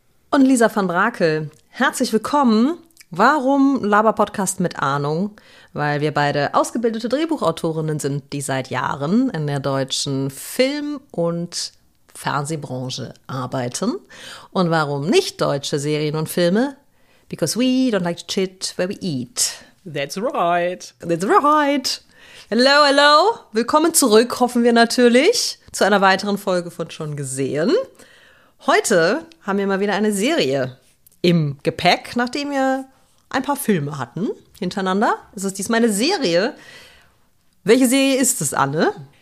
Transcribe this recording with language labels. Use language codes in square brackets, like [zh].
[de] und Lisa van Brakel. Herzlich willkommen. Warum Laber-Podcast mit Ahnung? Weil wir beide ausgebildete Drehbuchautorinnen sind, die seit Jahren in der deutschen Film- und Fernsehbranche arbeiten. Und warum nicht-deutsche Serien und Filme? [en] Because we don't like to chit where we eat. That's right. That's right. Hello, hello. [de] Willkommen zurück, hoffen wir natürlich, zu einer weiteren Folge von Schon gesehen. Heute haben wir mal wieder eine Serie im Gepäck, nachdem wir ein paar Filme hatten hintereinander. Es ist diesmal eine Serie. Welche Serie ist es, Anne?